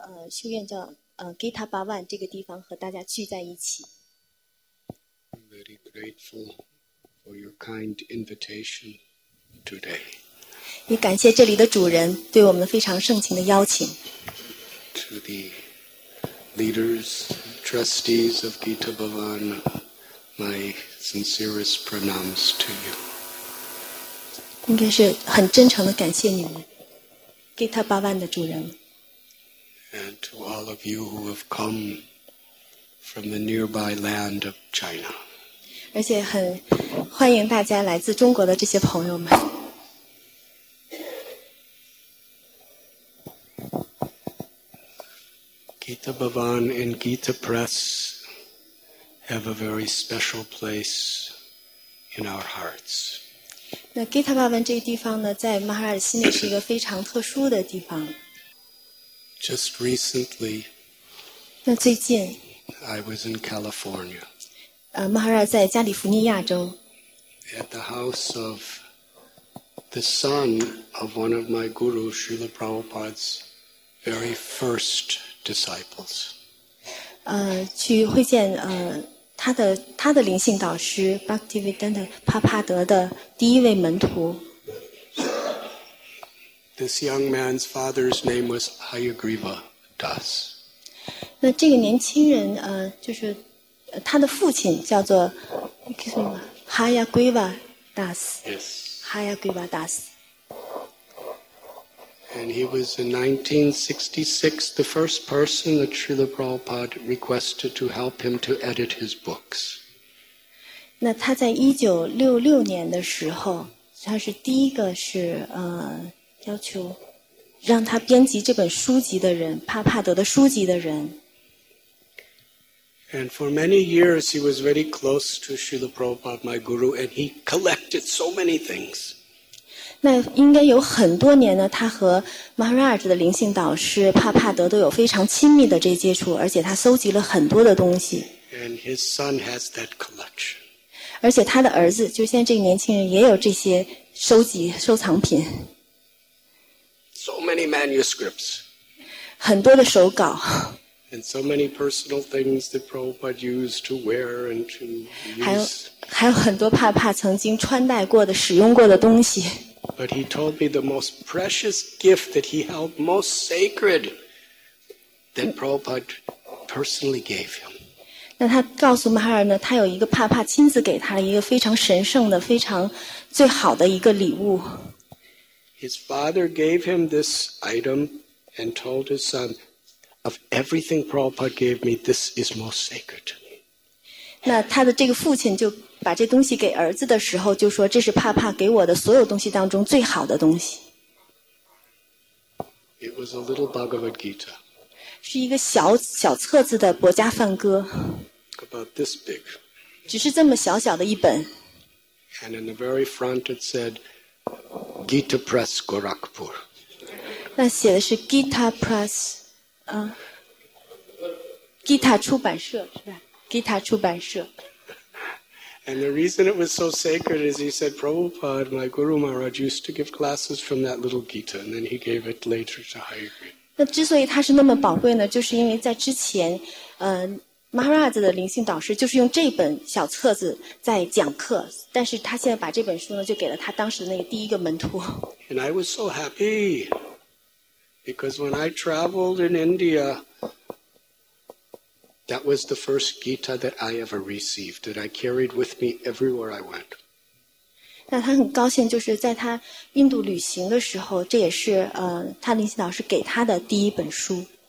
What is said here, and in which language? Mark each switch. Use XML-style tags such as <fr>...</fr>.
<zh>修院叫Gita Bhavan 这个地方和大家聚在一起。</zh> <en>I'm very grateful for your kind invitation today.</en> <zh>也感谢这里的主人对我们非常盛情的邀请。</zh> <en>To the leaders, trustees of Gita Bhavan, my sincerest pronouns to you.</en> <zh>应该是很真诚的感谢你们。 Gita Bhavan 的主人。</zh> <en>And to all of you who have come from the nearby land of China.</en> <zh>而且很欢迎大家来自中国的这些朋友们。</zh> <en>Gita Bhavan and Gita Press have a very special place in our hearts.</en> <zh>那 Gita Bhavan 这个地方呢，在 Maharaj 心里是一个非常特殊的地方。</zh> <en>Just recently,</en> <zh>那最近</zh> <en>I was in California.</en> <zh>Maharaj 在加利福尼亚州</zh> <en>at the house of the son of one of my guru, Srila Prabhupada's very first disciples.</en> <zh>去会见他的灵性导师 Bhaktivedanta Prabhupada 的第一位门徒。</zh> <en>This young man's father's name was Hayagriva Das.</en> <zh>那这个年轻人就是他的父亲叫做 Hayagriva Das.</zh> <en>Yes. Hayagriva Das. And he was in 1966 the first person that Srila Prabhupada requested to help him to edit his books.</en> <zh>那他在1966年的时候他是第一个是要求让他编辑这本书籍的人，帕帕德的书籍的人。</zh> <en>And for many years he was very close to Srila Prabhupada, my guru, and he collected so many things.</en> <zh>那应该有很多年呢，他和 Maharaj 的灵性导师帕帕德都有非常亲密的这接触，而且他搜集了很多的东西。</zh> <en>And his son has that collection.</en> <zh>而且他的儿子，就现在这个年轻人，也有这些收集收藏品。</zh> <en>So many manuscripts.</en> <zh>很多的手稿。</zh> <en>And so many personal things that Prabhupada used to wear and to use.</en> <zh>还有很多帕帕曾经穿戴过的、使用过的东西。</zh> <en>But he told me the most precious gift that he held most sacred that Prabhupada personally gave him.</en> <zh>那他告诉马哈尔呢，他有一个帕帕亲自给他一个非常神圣的、非常最好的一个礼物。</zh> <en>His father gave him this item and told his son, "Of everything Prabhupada gave me, this is most sacred."</en> <zh>那他的这个父亲就把这东西给儿子的时候，就说这是帕帕给我的所有东西当中最好的东西。</zh> <en>It was a little Bhagavad Gita.</en> <zh>是一个小小册子的《薄伽梵歌》。</zh> <en>About this big.</en> <zh>只是这么小小的一本。</zh> <en>And in the very front, it said. Gita Press Gorakhpur.</en> <zh>那写的是 Gita Press, Gita 出版社是吧 ？Gita 出版社。</zh> <en>And the reason it was so sacred is he said, Prabhupada, my Guru Maharaj used to give classes from that little Gita, and then he gave it later to Hayagriva.</en> <zh>那之所以它是那么宝贵呢，就是因为在之前，Maharaj 的灵性导师就是用这本小册子在讲课，但是他现在把这本书呢，就给了他当时的那个第一个门徒。</zh> <en>And I was so happy because when I traveled in India, that was the first Gita that I ever received that I carried with me everywhere I went.</en> <zh>那他很高兴，就是在他印度旅行的时候，这也是他灵性导师给他的第一本书。</zh>